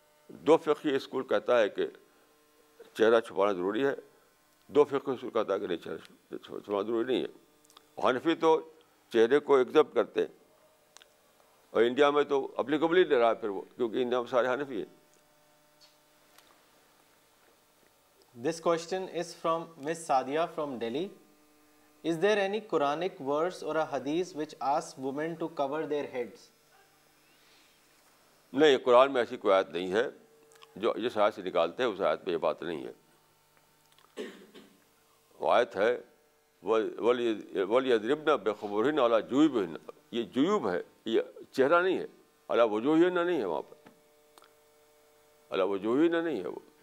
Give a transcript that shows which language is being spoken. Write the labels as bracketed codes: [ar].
[ur] دو فقہی school کہتا ہے کہ چہرہ چھپانا ضروری ہے, دو فقہی اسکول کہتا ہے کہ نہیں, چہرہ چھپانا ضروری نہیں ہے. حنفی تو چہرے کو ایکسیپٹ کرتے ہیں, اور انڈیا میں تو اپلیکیبل ہی نہیں رہا پھر وہ, کیونکہ انڈیا میں سارے حنفی ہیں. [en] This question is from Ms. Sadia from Delhi. Is there any Quranic verse or a hadith which asks women to cover their heads? [ur] نہیں, قرآن میں ایسی کوئی آیت نہیں ہے جو جس آیت سے نکالتے ہیں اس آیت میں یہ بات نہیں ہے. وہ آیت ہے [ar] وَلْيَضْرِبْنَ بِخُمُرِهِنَّ عَلَىٰ جُيُوبِهِنَّ, [ur] یہ جیوب ہے, یہ چہرہ نہیں ہے, [ar] عَلَىٰ وُجُوهِهِنَّ [ur] نہیں ہے, وہاں پر عَلَىٰ وُجُوهِهِنَّ نہیں ہے وہ.